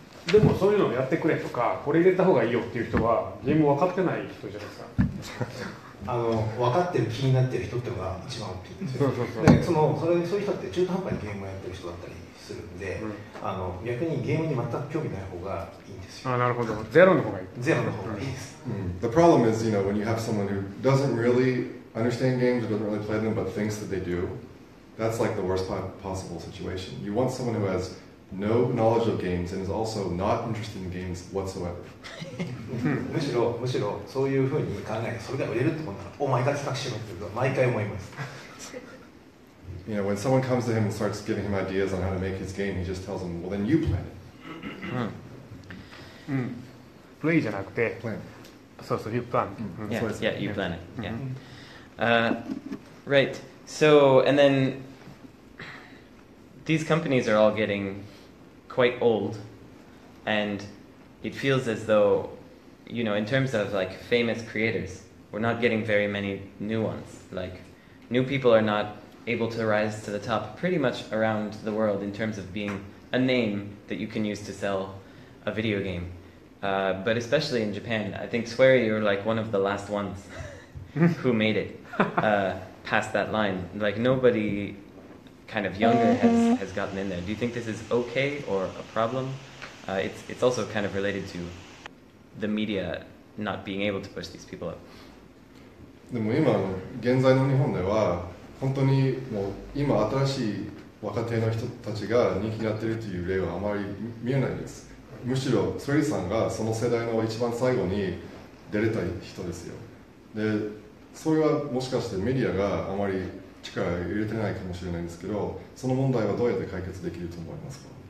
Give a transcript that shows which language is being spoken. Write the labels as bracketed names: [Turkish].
[Japanese] でもそういうのをやってくれとかこれ入れた方がいいよっていう人はゲーム分かってない人じゃないですか。分かってる気になってる人っていうのが一番大きいんですよ。そういう人って中途半端にゲームをやってる人だったりするんで、うん、逆にゲームに全く興味ない方がいいんですよ。あ、なるほど。ゼロの方がいい。ゼロの方がいいです。うん、 [English] The problem is, you know, when you have someone who doesn't really understand games or doesn't really play them but thinks that they do, that's like the worst possible situation. You want someone who has no knowledge of games and is also not interested in games whatsoever. [Japanese] むしろそういうふうに考えてそれが売れるってことなら、お前が企画しろっていうのは毎回思います。 [English] You know, when someone comes to him and starts giving him ideas on how to make his game, he just tells him, well, then you plan it. [Japanese] Play じゃなくて、 [English] plan. そうそう、you plan. Yeah, you plan it. Yeah. Right. So, and then these companies are all getting quite old, and it feels as though, you know, in terms of like famous creators, we're not getting very many new ones. Like, new people are not able to rise to the top pretty much around the world in terms of being a name that you can use to sell a video game. But especially in Japan, I think SWERY, you're like one of the last ones who made it past that line. Like, nobody kind of younger has gotten in there. Do you think this is okay or a problem? It's also kind of related to the media not being able to push these people up. [Japanese] でも今現在の日本では本当にもう今新しい若手の人たちが人気になっているという例はあまり見えないです。むしろスウェリーさんがその世代の一番最後に出れた人ですよ。で、それはもしかしてメディアがあまり力を入れてないかもしれないんですけど、その問題はどうやって解決できると思いますか？